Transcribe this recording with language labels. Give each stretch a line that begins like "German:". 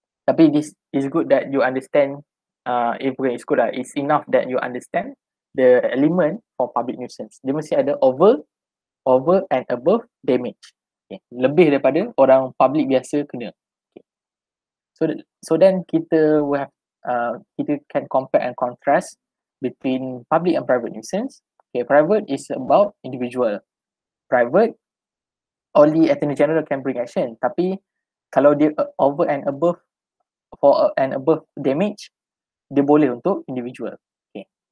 English: Tapi this is good that you understand, it's good lah, it's enough that you understand the element for public nuisance.
Malay: Dia mesti ada
English: over and above damage. Okay.
Malay: Lebih daripada orang public biasa kena.
English: Okay. So then
Malay: kita
English: will have, kita can compare and contrast between public and private nuisance. Okay, private is about individual. Private, only Attorney General can bring action.
Malay: Tapi kalau dia
English: over and above, for an above damage,
Malay: dia boleh untuk individual. Okay.